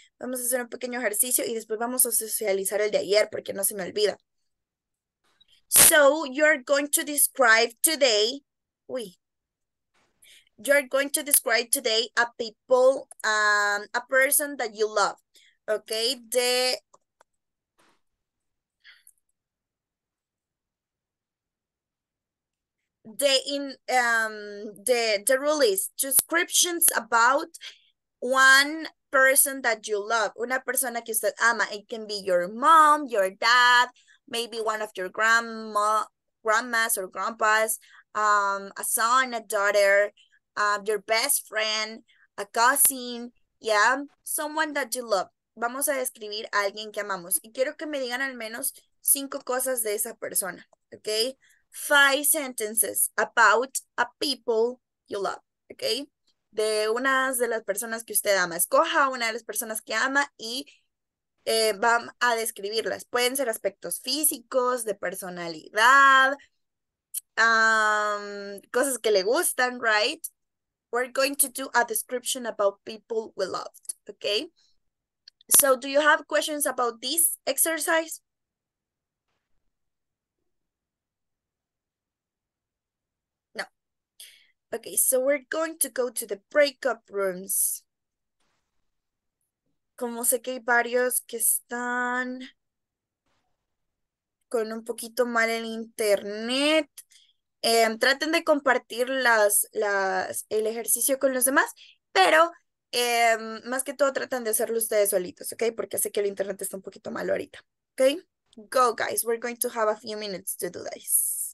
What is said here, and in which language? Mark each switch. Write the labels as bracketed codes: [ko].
[es] Vamos a hacer un pequeño ejercicio y después vamos a socializar el de ayer porque no se me olvida. [en] So you're going to describe today, you're going to describe today a people, a person that you love, okay? The the rule is descriptions about one person that you love, una persona que usted ama. It can be your mom, your dad, maybe one of your grandmas or grandpas, a son, a daughter, your best friend, a cousin, yeah, someone that you love. [es] Vamos a describir a alguien que amamos. Y quiero que me digan al menos 5 cosas de esa persona, okay? [en] 5 sentences about a people you love, okay? [es] De una de las personas que usted ama. Escoja una de las personas que ama y van a describirlas. Pueden ser aspectos físicos, de personalidad, cosas que le gustan, right? [en] We're going to do a description about people we loved, okay? So, do you have questions about this exercise? No. Okay, so we're going to go to the breakup rooms. [es] Como sé que hay varios que están con un poquito mal el internet, traten de compartir el ejercicio con los demás, pero más que todo traten de hacerlo ustedes solitos, ¿ok? Porque sé que el internet está un poquito malo ahorita, ¿ok? [en] Go, guys. We're going to have a few minutes to do this.